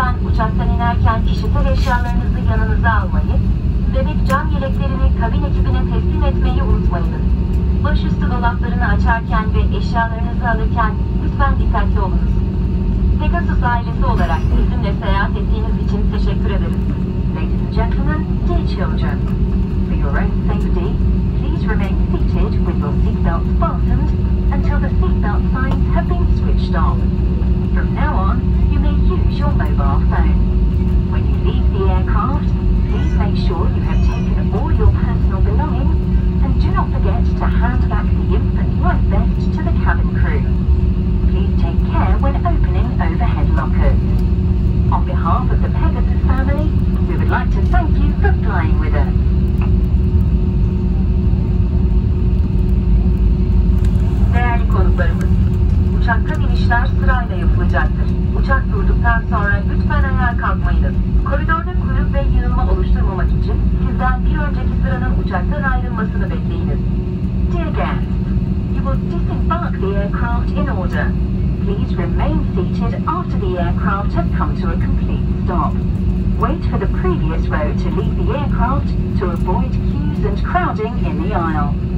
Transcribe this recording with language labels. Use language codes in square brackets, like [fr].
[tr] uçaktan inerken kişisel eşyalarınızı yanınıza almayı, bebek cam yeleklerini kabin ekibine teslim etmeyi unutmayınız. Başüstü dolaplarını açarken ve eşyalarınızı alırken lütfen dikkatli olunuz. Pegasus ailesi olarak bizimle seyahat ettiğiniz için teşekkür ederiz. [en] Ladies and gentlemen, dear children, for your own safety, please remain seated with your seatbelts fastened until the seatbelt signs have been switched on. From now on, you may use your mobile phone. When you leave the aircraft, please make sure you have taken all your personal belongings and do not forget to hand back the infant life vest to the cabin crew. Please take care when opening overhead lockers. On behalf of the Pegasus family, we would like to thank you for flying with us. [tr] Değerli konuklarımız, uçaktan inişler sırayla yapılacaktır. Uçak durduktan sonra lütfen ayağa kalkmayınız. Koridorda kuyruk ve yığılma oluşturmamak için sizden bir önceki sıranın uçaktan ayrılmasını bekleyiniz. [en] Dear guests, you will disembark the aircraft in order. Please remain seated after the aircraft has come to a complete stop. Wait for the previous row to leave the aircraft to avoid queues and crowding in the aisle.